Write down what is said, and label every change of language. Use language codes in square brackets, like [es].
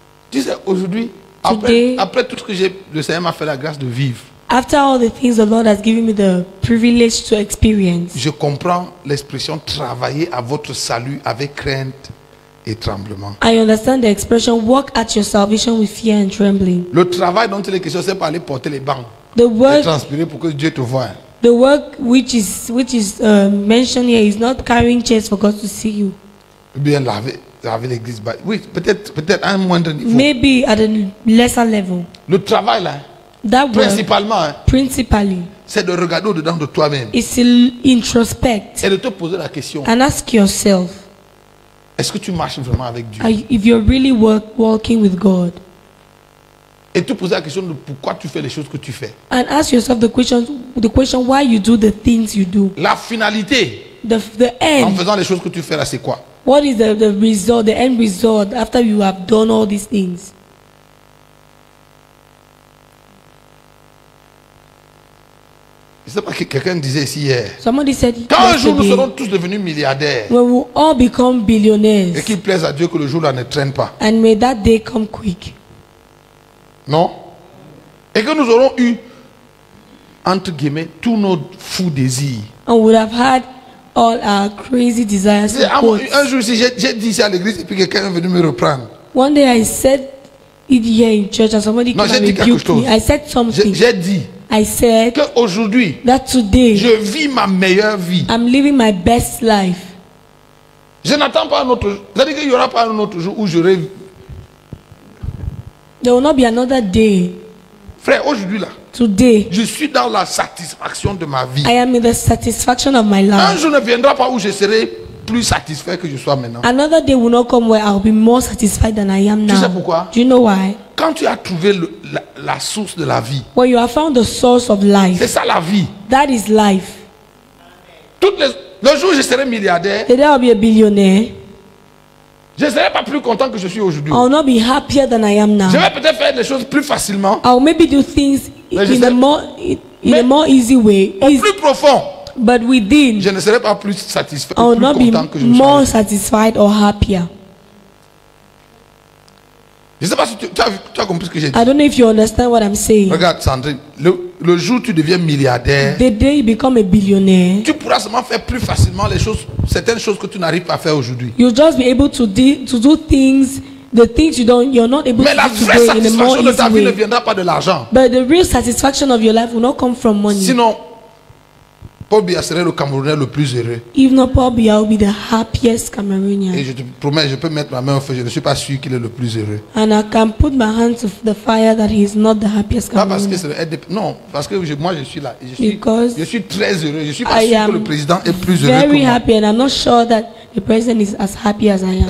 [fr] Tu sais, aujourd'hui, après tout ce que j'ai, le Seigneur m'a fait la grâce de vivre. [en] After all the things the Lord has given me the privilege to experience. [fr] Je comprends l'expression travailler à votre salut avec crainte et tremblement. [en] I understand the expression work at your salvation with fear and trembling. [fr] Le travail dont il est question, c'est pas aller porter les bancs. [en] The work, [fr] et transpirer pour que Dieu te voie. [en] The work which is mentioned here is not carrying chairs for God to see you. [fr] Bien laver. Avec l'église, oui, peut-être un moindre niveau. [en] Maybe at a lesser level. [fr] Le travail là, [en] that [fr] principalement, [en] work, principally, [fr] c'est de regarder au-dedans de toi-même. [en] It's to introspect. [fr] Et de te poser la question. [en] And ask yourself. [fr] Est-ce que tu marches vraiment avec Dieu? [en] If you're really walking with God. [fr] Et tu poses la question de pourquoi tu fais les choses que tu fais. [en] And ask yourself the question why you do the things you do. [fr] La finalité. [en] The end. [fr] En faisant les choses que tu fais là, c'est quoi? [en] What is the result, the end result after you have done all these things? [fr] Je sais pas, quelqu'un disait ici hier. [en] Somebody said. [fr] Quand un jour nous serons tous devenus milliardaires. [en] We will all become billionaires. [fr] Et qu'il plaise à Dieu que le jour là ne traîne pas. [en] And may that day come quick. [fr] Non? Et que nous aurons eu entre guillemets tous nos fous désirs. [en] And would have had all our crazy desires. [fr] Un jour, j'ai dit ça à l'église et puis quelqu'un est venu me reprendre. [en] One day I said it here in church and somebody came and rebuked me. I said something. [fr] J'ai dit. [en] I said [fr] que aujourd'hui, [en] that today [fr] je vis ma meilleure vie. [en] I'm living my best life. [fr] Je n'attends pas un autre jour. C'est-à-dire qu'il n'y aura pas un autre jour où je rêve. [en] There will not be another day. [fr] Frère, aujourd'hui là, [en] today, [fr] je suis dans la satisfaction de ma vie. [en] I am in the satisfaction of my life. [fr] Un jour ne viendra pas où je serai plus satisfait que je sois maintenant. [en] Another day will not come where I will be more satisfied than I am now. [fr] Tu sais pourquoi? [en] Do you know why? [fr] Quand tu as trouvé la source de la vie. [en] When you have found the source of life. [fr] C'est ça la vie. [en] That is life. [fr] Le jour où je serai milliardaire. [en] The day I'll be a billionaire. [fr] Je ne serai pas plus content que je suis aujourd'hui. [en] I will not be happier than I am now. [fr] Je vais peut-être faire les choses plus facilement. [en] I will maybe do things in a more easy way. [fr] Plus profond. [en] But within. [fr] Je ne serai pas plus satisfait. [en] I will [fr] plus [en] not [fr] content [en] be [fr] que je [en] more [fr] serai. [en] Satisfied or happier. [fr] Je ne sais pas si tu as compris ce que j'ai dit. [en] I don't know if you understand what I'm saying. [fr] Regarde, Sandrine, le jour où tu deviens milliardaire. [en] The day you become a billionaire. [fr] Tu pourras seulement faire plus facilement les choses, certaines choses que tu n'arrives pas à faire aujourd'hui. [en] You'll just be able to do things, the things you're not able [fr] mais [en] to do today in a more easy way. [fr] Mais la vraie satisfaction de ta vie ne viendra pas de l'argent. [en] But the real satisfaction of your life will not come from money. [fr] Sinon, Paul Biya serait le Camerounais le plus heureux. [en] If not Paul Biya, will be the happiest Cameroonian. [fr] Et je te promets, je peux mettre ma main au feu. Je ne suis pas sûr qu'il est le plus heureux. [en] And I can put my hand to the fire that he is not the happiest Cameroonian. [fr] Pas parce que c'est le RDP. Non, parce que moi je suis là. [en] Because [fr] je suis très heureux. Je suis pas sûr que le président est plus heureux que moi. [en] Very happy, and I'm not sure that the president is as happy as I am.